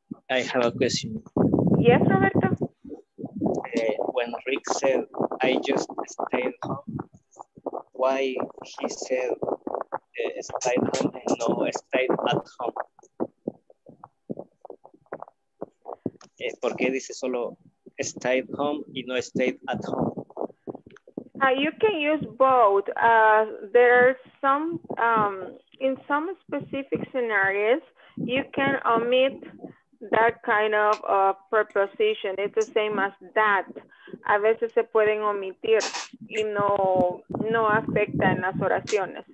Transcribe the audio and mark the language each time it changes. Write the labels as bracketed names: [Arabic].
[English] I have a question. Yes, Roberto? When Rick said, I just stayed home, why he said stayed home and no stayed at home? [Spanish] ¿Por qué dice solo [English] stay at home [Spanish] y no stay at home? [English] You can use both. There are some, in some specific scenarios, you can omit that kind of preposition. It's the same as that. [Spanish] A veces se pueden omitir y no afecta en las oraciones.